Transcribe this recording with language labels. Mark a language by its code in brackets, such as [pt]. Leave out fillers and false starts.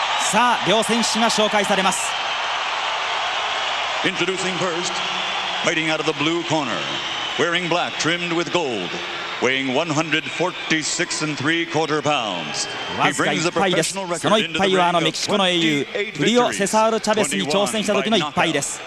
[ja] さあ両選手が紹介されます。 [en] Introducing first, fighting out of the blue corner, wearing black trimmed with gold, weighing 146¾ pounds. [ja] わずか1敗です。その1敗はメキシコの英雄、フリオ・セサール・チャベスに挑戦した時の1敗です。